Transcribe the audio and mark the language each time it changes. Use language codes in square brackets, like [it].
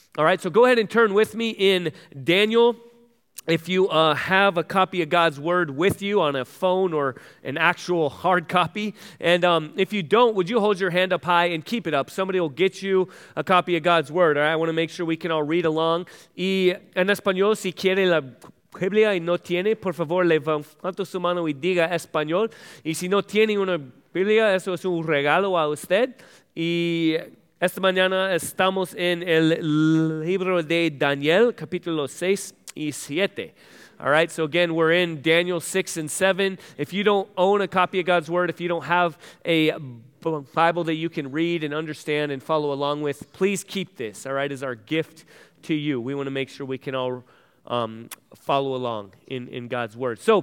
[en] All right, so go ahead and turn with me in Daniel. If you have a copy of God's Word with you on a phone or an actual hard copy, and if you don't, would you hold your hand up high and keep it up? Somebody will get you a copy of God's Word. All right? I want to make sure we can all read along. [es] Y en español, si quiere la Biblia y no tiene, por favor, levante su mano y diga español. Y si no tiene una Biblia, eso es un regalo a usted. Y esta mañana estamos en el libro de Daniel, capítulo 6. [en] All right, so again, we're in Daniel 6 and 7. If you don't own a copy of God's Word, if you don't have a Bible that you can read and understand and follow along with, please keep this, all right, as our gift to you. We want to make sure we can all follow along in God's Word.